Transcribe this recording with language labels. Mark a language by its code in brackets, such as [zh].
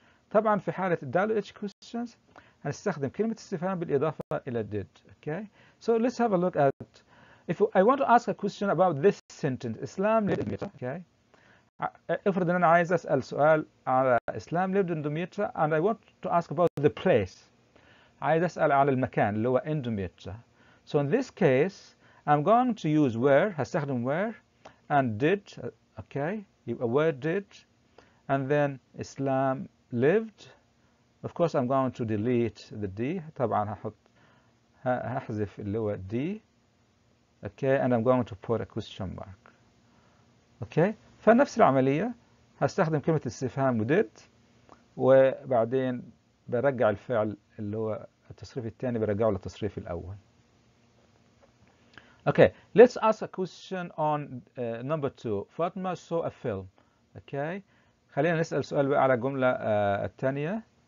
[ar] طبعا في حالة WH questions هنستخدم كلمة استفهام بالإضافة إلى did. [en] Okay. So let's have a look at if I want to ask a question about this sentence. Islam lived in Dumitra. Okay. [ar] افرض ان انا عايز اسال سؤال على اسلام [en] lived in Dumitra and I want to ask about the place. [ar] عايز اسال على المكان اللي هو in Dumitra. [en] So in this case I'm going to use where, [ar] هستخدم [en] where and did. Okay. Where did and then Islam lived. Of course I'm going to delete the D. [ar] طبعا هحذف اللي هو D. Okay. [en] And I'm going to put a question mark. Okay. [ar] فنفس العملية هستخدم كلمة استفهام did وبعدين برجع الفعل اللي هو التصريف الثاني برجعه للتصريف الأول. [en] Okay, let's ask a question on number two. Fatma saw a film. [ar] Okay, خلينا نسأل سؤال بقى على الجملة الثانية.